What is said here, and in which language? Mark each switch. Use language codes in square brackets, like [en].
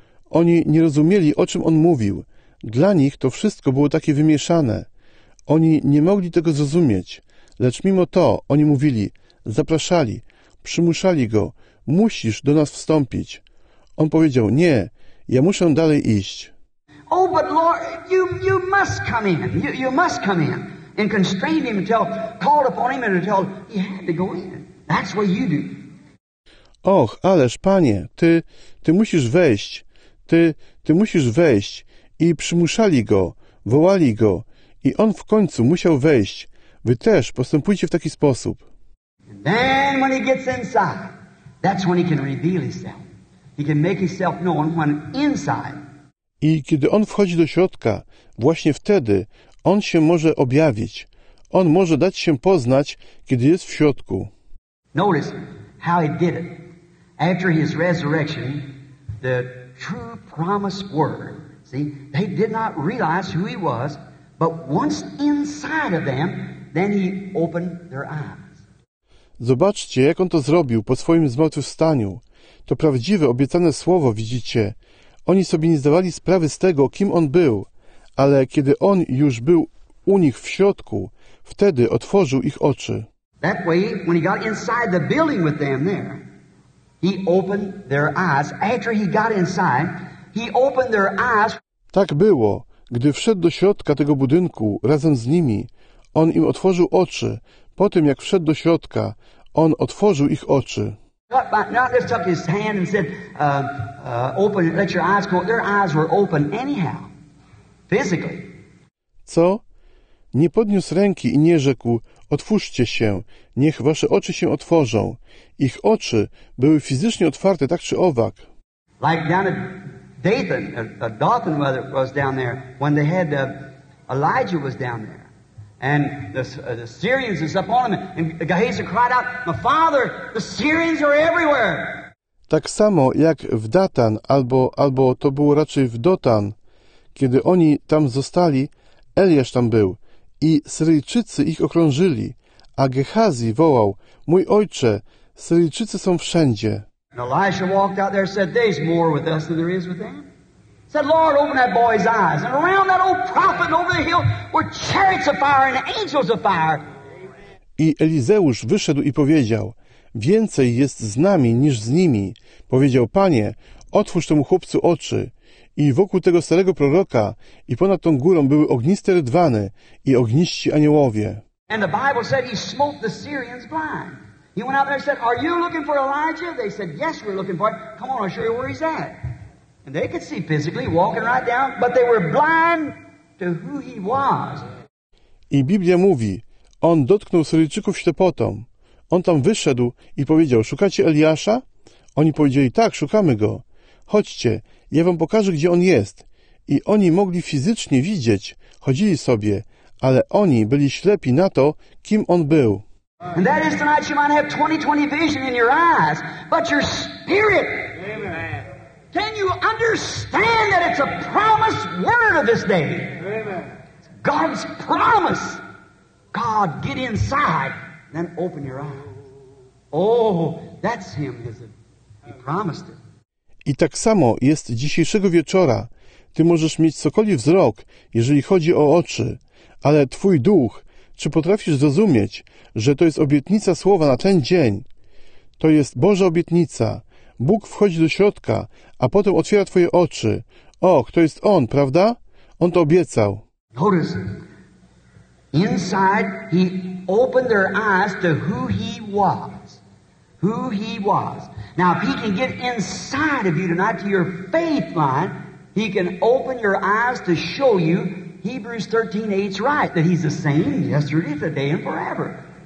[pl] Oni nie rozumieli, o czym on mówił. Dla nich to wszystko było takie wymieszane. Oni nie mogli tego zrozumieć. Lecz mimo to oni mówili, zapraszali, przymuszali go, musisz do nas wstąpić. On powiedział, nie, ja muszę dalej iść. [en] Oh, but Lord, you must come in. You must come in. And constrained him until called upon him and until he had to go in. That's what you do. [pl] Och, ależ, Panie, ty musisz wejść. Ty musisz wejść. I przymuszali go, wołali go. I on w końcu musiał wejść. Wy też postępujcie w taki sposób. [en] And then when he gets inside, that's when he can reveal himself. He can make himself known when inside. [pl] I kiedy on wchodzi do środka, właśnie wtedy on się może objawić. On może dać się poznać, kiedy jest w środku. [en] Notice how he did it. After his resurrection, the true promised word. See, they did not realize who he was, but once inside of them, then he opened their eyes. [pl] Zobaczcie, jak on to zrobił po swoim zmartwychwstaniu. To prawdziwe, obiecane słowo, widzicie. Oni sobie nie zdawali sprawy z tego, kim on był. Ale kiedy on już był u nich w środku, wtedy otworzył ich oczy. [en] That way, when he got inside the building with them there, he opened their eyes. After he got inside, he opened their eyes. [pl] Tak było. Gdy wszedł do środka tego budynku razem z nimi, on im otworzył oczy. Po tym, jak wszedł do środka, on otworzył ich oczy. [en] Not just took his hand and said, open, let your eyes go. Their eyes were open anyhow. Physically. [pl] Co? Nie podniósł ręki i nie rzekł, otwórzcie się, niech wasze oczy się otworzą. Ich oczy były fizycznie otwarte, tak czy owak. [en] Like down at Dathan, Dothan was down there, when they had Elijah was down there. And the Syrians is upon him, and Gehazi cried out, my father, the Syrians are everywhere. [pl] Tak samo jak w Datan, albo to było raczej w Dothan, kiedy oni tam zostali, Eliasz tam był i Syryjczycy ich okrążyli, a Gehazi wołał, mój ojcze, Syryjczycy są wszędzie. [en] And Elisha walked out there and said, there's more with us than there is with them. Said, Lord, open that boy's eyes. And around that old prophet over the hill were chariots of fire and angels of fire. [pl] I Elizeusz wyszedł i powiedział, więcej jest z nami niż z nimi. Powiedział: Panie, otwórz temu chłopcu oczy. I wokół tego starego proroka i ponad tą górą były ogniste rydwany i ogniści aniołowie. [en] And the Bible said he smote the Syrians blind. He went out there and said, are you looking for Elijah? They said, yes, we're looking for him. Come on, I'll show you where he's at. And they could see physically walking right down, but they were blind to who he was. [pl] I Biblia mówi, on dotknął Syryjczyków ślepotą. On tam wyszedł i powiedział, szukacie Eliasza? Oni powiedzieli, tak, szukamy go. Chodźcie, ja wam pokażę, gdzie on jest. I oni mogli fizycznie widzieć, chodzili sobie, ale oni byli ślepi na to, kim on był. [en] And that is tonight you might have 20-20 vision in your eyes, but your spirit. Amen. Can you understand that it's a promise word of this day? Amen. God's promise. God, get inside, then open your eyes. Oh, that's him, is it? He promised it. [pl] I tak samo jest dzisiejszego wieczora. Ty możesz mieć cokolwiek wzrok, jeżeli chodzi o oczy, ale twój duch, czy potrafisz zrozumieć, że to jest obietnica słowa na ten dzień? To jest Boża obietnica. Bóg wchodzi do środka, a potem otwiera twoje oczy. Och, to jest On, prawda? On to obiecał. [en] Notice, inside he opened their eyes to who he was. Who he was. Now, if he can get inside of you tonight to your faith line, he can open your eyes to show you Hebrews 13:8's right, that he's the same yesterday, today, and forever.